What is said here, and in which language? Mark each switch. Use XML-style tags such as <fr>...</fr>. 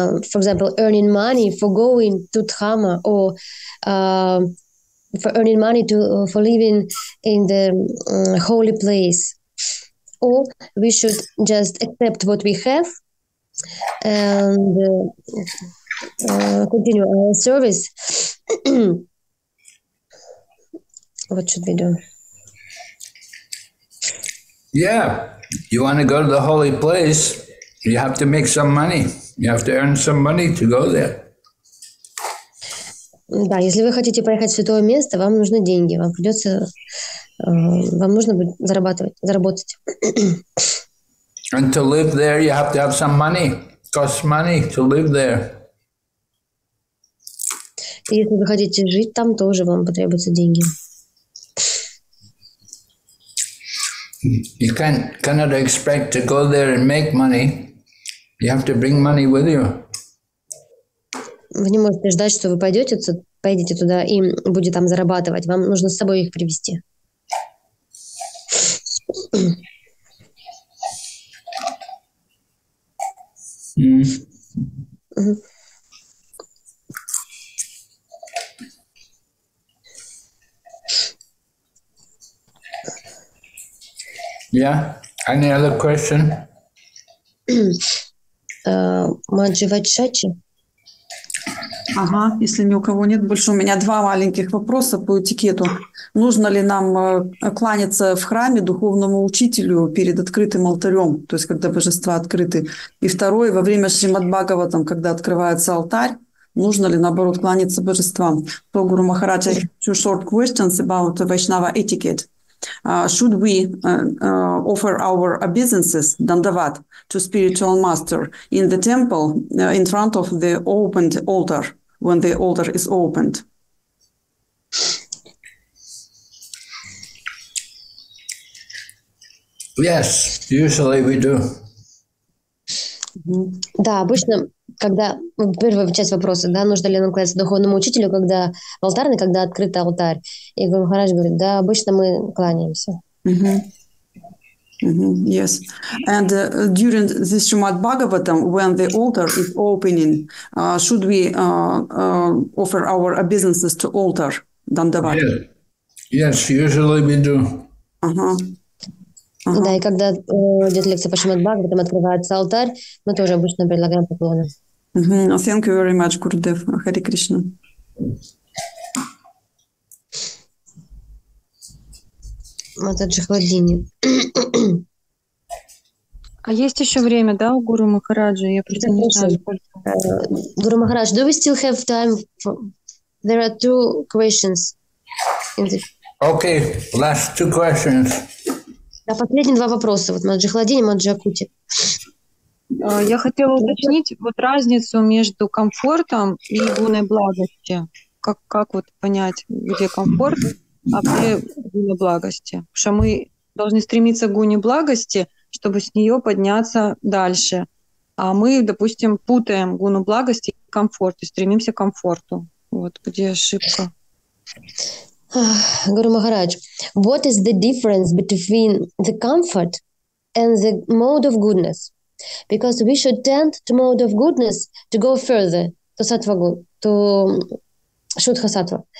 <en>for example, earning money for going to Dhamma or for earning money to for living in the holy place, or we should just accept what we have and continue our service. What should we do? Yeah, you want to go to the holy place, you have to make some money. You have to earn some money to go there.</en> <ru>Да, если вы хотите поехать в святое место, вам нужны деньги, вам придется, вам нужно зарабатывать, заработать.</ru> <en>And to live there, you have to have some money. costs money to live there.</en> <ru>Если вы хотите жить там, тоже вам потребуются деньги.</ru> <en>You cannot expect to go there and make money. You have to bring money with you.</en> <ru>Вы не можете ждать, что вы поедете туда и будете там зарабатывать. Вам нужно с собой их привезти.</ru> <en>Yeah, any other question?</en> <ru>Маджи-вачачи? Ага, если ни у кого нет, больше у меня два маленьких вопроса по этикету. Нужно ли нам кланяться в храме духовному учителю перед открытым алтарем, то есть когда божества открыты? И второе, во время Шримад-Бхагаватам, когда открывается алтарь, нужно ли, наоборот, кланяться божествам?</ru> <en>So, Guru Maharaj, I have two short questions about Vaishnava etiquette. Should we offer our obeisances, dandavat, to spiritual master in the temple in front of the opened altar, when the altar is opened? Yes, usually we do.</en> <ru>Да, обычно, когда... Первая часть вопроса, да, нужно ли нам кланяться духовному учителю, когда в алтарной, когда открыт алтарь. И Гуру Махарадж говорит, да, обычно мы кланяемся.</ru> <en>Yes. And during this Shrimad Bhagavatam, when the altar is opening, should we offer our obeisances to altar, Dandavat? Yes, usually we do.</en> <ru>Да, и когда идет лекция по Шримад Бхагаватам, открывается алтарь, мы тоже обычно предлагаем поклоны.</ru> <en>Thank you very much, Gurudev. Hare Krishna.</en> <ru>Матаджи Хладини. А есть еще время, да, у Гуру Махараджа? Я просто не знаю.</ru> <en>Гуру Махарадж, do we still have time? There are two questions. Okay, last two questions.</en> <ru>Да, последние два вопроса. Вот Маджи Хладини, Маджи Акути. Я хотела уточнить вот разницу между комфортом и гуной благости. Как вот понять, где комфорт, а где гуна благости? Потому что мы должны стремиться к гуне благости, чтобы с нее подняться дальше. А мы, допустим, путаем гуну благости и комфорт, и стремимся к комфорту. Вот где ошибка.</ru> <en>Гуру Махарадж, what is the difference between the comfort and the mode of goodness? Because we should tend to mode of goodness to go further to sattva gun, to shuddha sattva.</en>